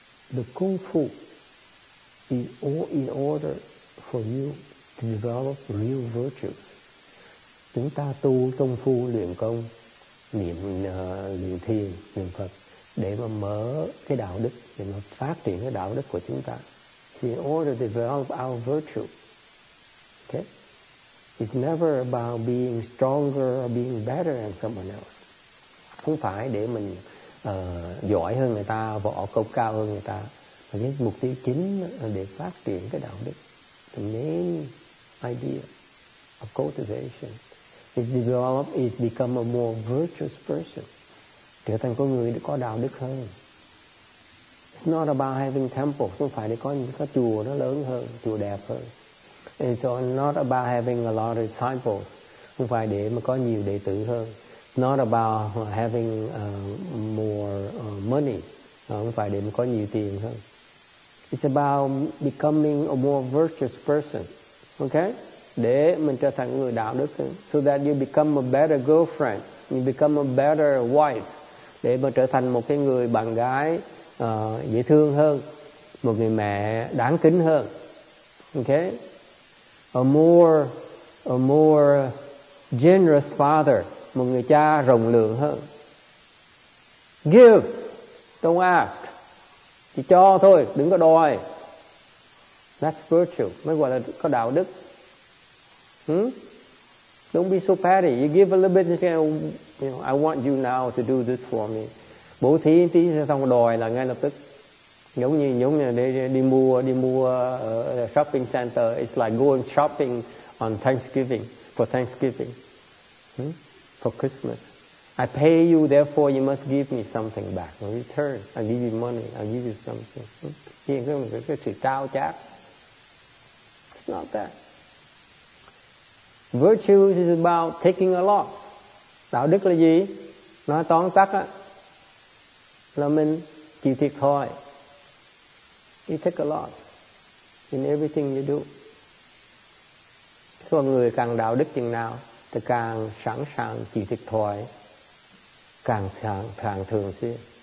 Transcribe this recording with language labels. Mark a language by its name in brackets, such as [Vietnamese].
[English] The kung fu is all in order for you to develop real virtue. [Vietnamese] Chúng ta tu công phu luyện công, niệm luyện thiền, niệm Phật để mà mở cái đạo đức, để mà phát triển cái đạo đức của chúng ta. [English] It's in order to develop our virtue. Okay? It's never about being stronger or being better than someone else. [Vietnamese] Không phải để mình giỏi hơn người ta, võ công cao hơn người ta. Cái mục tiêu chính để phát triển cái đạo đức. [English] The main idea of cultivation is develop, is become a more virtuous person. [Vietnamese] Trở thành con người có đạo đức hơn. [English] It's not about having temple. [Vietnamese] Không phải để có chùa nó lớn hơn, chùa đẹp hơn. [English] And so not about having a lot of disciples. [Vietnamese] Không phải để mà có nhiều đệ tử hơn. [English] Not about having more money. [Vietnamese] Không phải để mà có nhiều tiền hơn. [English] It's about becoming a more virtuous person, okay? [Vietnamese] Để mình trở thành người đạo đức hơn. [English] So that you become a better girlfriend, you become a better wife. [Vietnamese] Để mà trở thành một cái người bạn gái dễ thương hơn, một người mẹ đáng kính hơn, okay? [English] A more generous father, [Vietnamese] một người cha rộng lượng hơn. [English] Give, don't ask, [Vietnamese] chỉ cho thôi, đừng có đòi. [English] That's virtue, [Vietnamese] mới gọi là có đạo đức. [English] Don't be so petty. You give a little bit and say, you know, I want you now to do this for me. [Vietnamese] Bố thí tí xong đòi là ngay lập tức. Giống như đi mua shopping center. [English] It's like going shopping on Thanksgiving, for Thanksgiving, for Christmas. I pay you, therefore you must give me something back in return. I give you money, I give you something. [Vietnamese] Cái sự trao chát. [English] It's not that. Virtue is about taking a loss. [Vietnamese] Đạo đức là gì? Nói tóm tắt á, là mình chịu thiệt thôi. [English] You take a loss in everything you do. [Vietnamese] Con người càng đạo đức chừng nào thì càng sẵn sàng chịu thiệt thòi, càng càng thường xuyên.